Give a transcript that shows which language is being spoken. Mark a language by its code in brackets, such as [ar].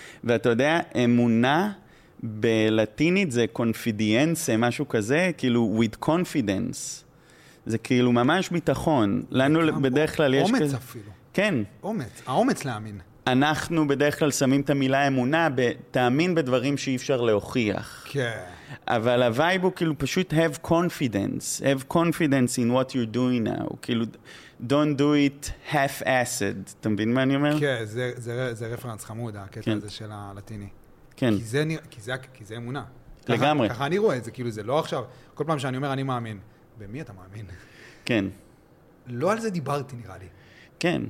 [he] ואתה יודע, אמונה בלטינית זה confidence, משהו כזה, כאילו [en] with confidence. [he] זה כאילו ממש ביטחון. לנו בדרך כלל יש אומץ כזה... אפילו. כן. אומץ. האומץ להאמין. אנחנו בדרך כלל שמים את המילה אמונה בתאמין בדברים שאי אפשר להוכיח. כן. אבל הווייב הוא כאילו פשוט [en] have confidence. Have confidence in what you're doing now. [he] כאילו... [en] Don't do it half-assed. [he] אתה מבין מה אני אומר? כן, זה רפרנס חמוד, הקטע הזה של הלטיני. כן. כי זה אמונה. לגמרי. ככה אני רואה את זה, כאילו זה לא עכשיו. כל פעם שאני אומר אני מאמין, במי אתה מאמין? כן. לא על זה דיברתי, נראה לי. כן.